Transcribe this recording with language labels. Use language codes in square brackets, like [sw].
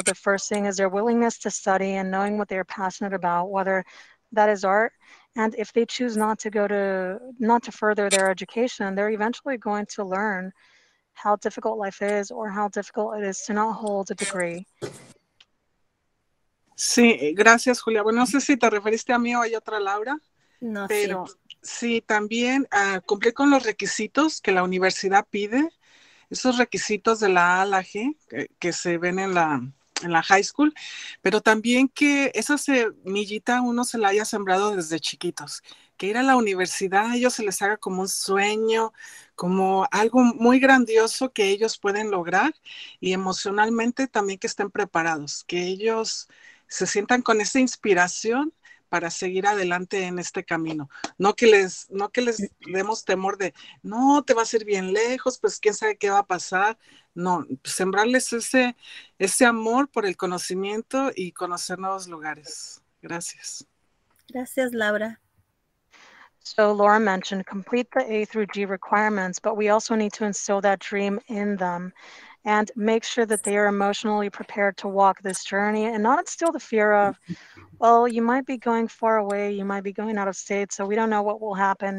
[en] The first thing is their willingness to study and knowing what they are passionate about, whether that is art. And if they choose not to further their education, they're eventually going to learn how difficult life is or how difficult it is to not hold a degree. [es] Sí, gracias, Julia. Bueno, no sé si te referiste a mí o hay otra Laura. No, pero sí, también cumplir con los requisitos que la universidad pide. Esos requisitos de la A a la G que se ven en la high school, pero también que esa semillita uno se la haya sembrado desde chiquitos, que ir a la universidad a ellos se les haga como un sueño, como algo muy grandioso que ellos pueden lograr, y emocionalmente también que estén preparados, que ellos se sientan con esa inspiración para seguir adelante en este camino. No que les demos temor de, no, te vas a ir bien lejos, pues quién sabe qué va a pasar. No, sembrarles ese amor por el conocimiento y conocer nuevos lugares. Gracias. Gracias, Laura. [en] So Laura mentioned, complete the A through G requirements, but we also need to instill that dream in them and make sure that they are emotionally prepared to walk this journey and not instill the fear of, well, you might be going far away, you might be going out of state, so we don't know what will happen.